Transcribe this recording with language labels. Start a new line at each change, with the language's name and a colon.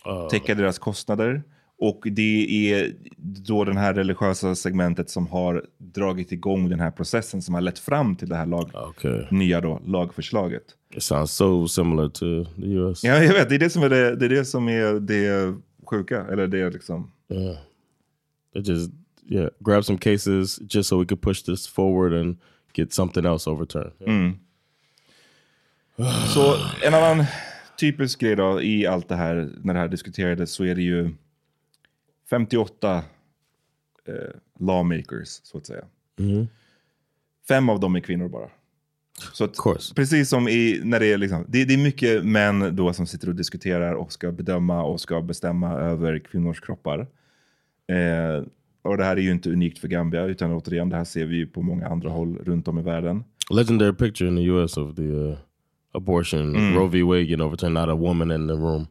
Swedish: Täcka deras kostnader. Och det är då den här religiösa segmentet som har dragit igång den här processen som har lett fram till det här nya då, lagförslaget.
English: It sounds so similar to the US.
Swedish: Ja, jag vet. Det är det som är det sjuka, eller det är liksom,
English: yeah, it just, yeah, grab some cases just so we could push this forward and get something else overturned. Yeah. Mm.
Swedish: Så en annan typisk grej då i allt det här, när det här diskuterades, så är det ju 58 lawmakers, så att säga. Mm. Fem av dem är kvinnor bara. Så att,
English: of course.
Swedish: Precis som i, när det är liksom, det är mycket män då som sitter och diskuterar och ska bedöma och ska bestämma över kvinnors kroppar. Och det här är ju inte unikt för Gambia, utan återigen, det här ser vi ju på många andra håll runt om i världen.
English: Legendary picture in the US of the abortion, mm, Roe v. Wade getting overturned, not a woman in the room.